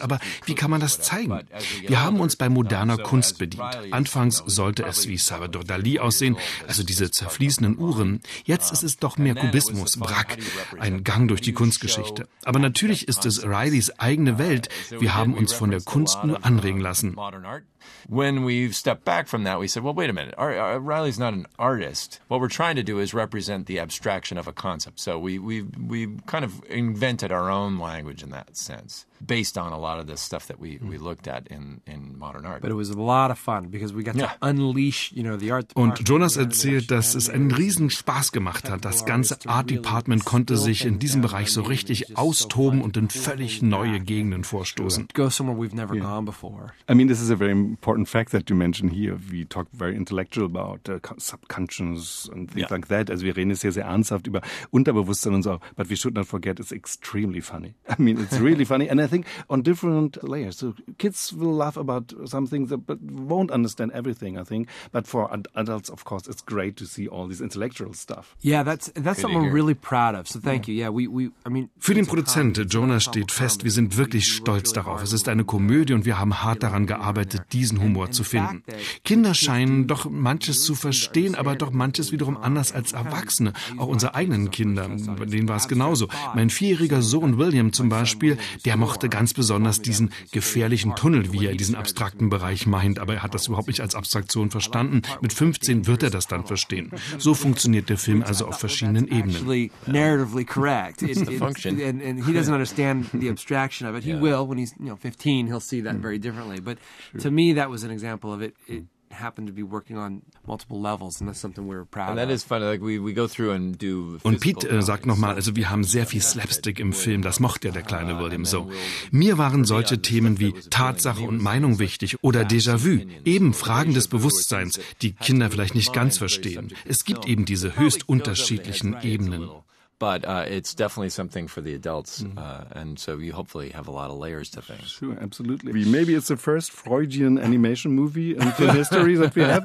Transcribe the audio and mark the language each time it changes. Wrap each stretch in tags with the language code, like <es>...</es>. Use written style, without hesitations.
<de>Aber wie kann man das zeigen? Wir haben uns bei moderner Kunst bedient. Anfangs sollte es wie Salvador Dali aussehen, also diese zerfließenden Uhren. Jetzt ist es doch mehr Kubismus, Brack, ein Gang durch die Kunstgeschichte. Aber natürlich ist es Rileys eigene Welt. Wir haben uns von der Kunst nur anregen lassen.</de> <en>When we stepped back from that, we said, well, wait a minute, Riley's not an artist. What we're trying to do is represent the abstraction of a concept. So we kind of invented our own language in that sense, based on a lot of the stuff that we looked at in modern art. But it was a lot of fun, because we got to unleash, you know, the art department.</en> <de>Und Jonas erzählt, dass es einen riesen Spaß gemacht hat. Das ganze Art Department konnte sich in diesem Bereich so richtig austoben und in völlig neue Gegenden vorstoßen.</de> <en>Go somewhere we've never gone before. I mean, this is a very important fact that you mentioned here. We talk very intellectual about subconscious and things like that.</en> <de>Also wir reden jetzt hier sehr ernsthaft über Unterbewusstsein und so.</de> <en>But we should not forget, it's extremely funny. I mean, it's really funny. And I think on different layers. So kids will laugh about some things but won't understand everything, I think. But for adults, of course, it's great to see all this intellectual stuff. Yeah, that's something we're really proud of. So thank you. Yeah, I mean,</en> <de>für den Produzenten Jonas steht fest, wir sind wirklich stolz darauf. Es ist eine Komödie und wir haben hart daran gearbeitet, diesen Humor zu finden. Kinder scheinen doch manches zu verstehen, aber doch manches wiederum anders als Erwachsene. Auch unsere eigenen Kinder, bei denen war es genauso. Mein 4-jähriger Sohn William zum Beispiel, der mochte ganz besonders diesen gefährlichen Tunnel, wie er diesen abstrakten Bereich meint, aber er hat das überhaupt nicht als Abstraktion verstanden. Mit 15 wird er das dann verstehen. So funktioniert der Film also auf verschiedenen Ebenen.</de> <en>Narratively correct. And he doesn't understand the abstraction of it. He will, when he's 15, he'll see that very differently. But to me, that was an example of it. It happened to be working on multiple levels, and that's something we were proud of. And that is funny. Like we go through and do.</en> <de>Und Pete sagt nochmal, also wir haben sehr viel Slapstick im Film. Das mochte ja der kleine William so. Mir waren solche Themen wie Tatsache und Meinung wichtig oder Déjà-vu, eben Fragen des Bewusstseins, die Kinder vielleicht nicht ganz verstehen. Es gibt eben diese höchst unterschiedlichen Ebenen.</de> <en>But it's definitely something for the adults, and so you hopefully have a lot of layers to things. Sure, absolutely. Maybe it's the first Freudian animation movie in film history that we have.</en>